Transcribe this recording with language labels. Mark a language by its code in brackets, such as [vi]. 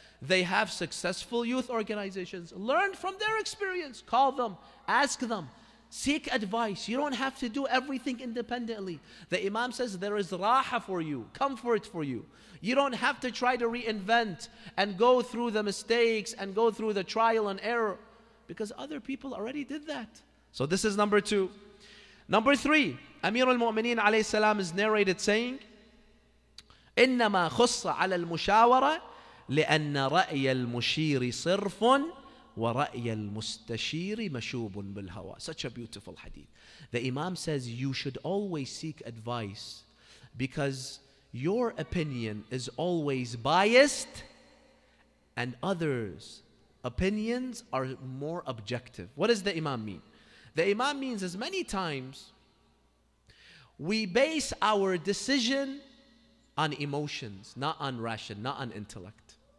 [en] They have successful youth organizations. Learn from their experience. Call them. Ask them. Seek advice. You don't have to do everything independently. The Imam says there is raha for you, comfort for you. You don't have to try to reinvent and go through the mistakes and go through the trial and error, because other people already did that. So this is number two. Number three, Amir al-Mu'mineen alayhi salam is narrated saying, [ar] إِنَّمَا خُصَّ عَلَى الْمُشَاوَرَةِ لِأَنَّ رَأْيَ الْمُشِيرِ صِرْفٌ وَرَأْيَ الْمُسْتَشِيرِ مَشُوبٌ بِالْهَوَى. [en] Such a beautiful hadith. The Imam says you should always seek advice because your opinion is always biased and others' opinions are more objective. What does the Imam mean? The Imam means as many times we base our decision on emotions, not on ration, not on intellect.